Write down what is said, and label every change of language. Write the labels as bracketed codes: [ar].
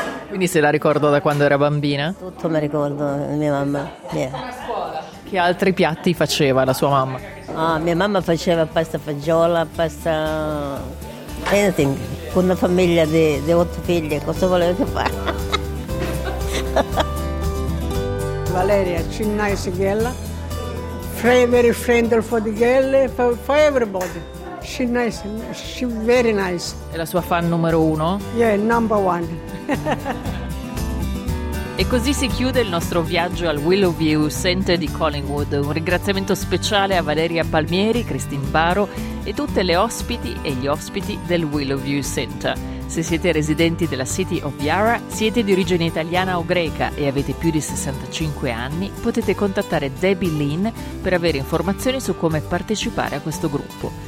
[it] Quindi se la ricordo da quando era bambina? Tutto mi ricordo di mia mamma. [en] Yeah. [it] Che altri piatti faceva la sua mamma? Ah, mia mamma faceva pasta fagiola, pasta anything, con una famiglia di 8 figlie, cosa voleva che fare? [en] Valeria, Cinnai Sighella, very friendly for the girl, for everybody. She's nice, she's very nice. [it] È la sua fan numero uno? [en] Yeah, number one. [it] E così si chiude il nostro viaggio al Willow View Center di Collingwood. Un ringraziamento speciale a Valeria Palmieri, Christine Baro e tutte le ospiti e gli ospiti del Willow View Center. Se siete residenti della City of Yarra, siete di origine italiana o greca e avete più di 65 anni, potete contattare Debbie Lynn per avere informazioni su come partecipare a questo gruppo.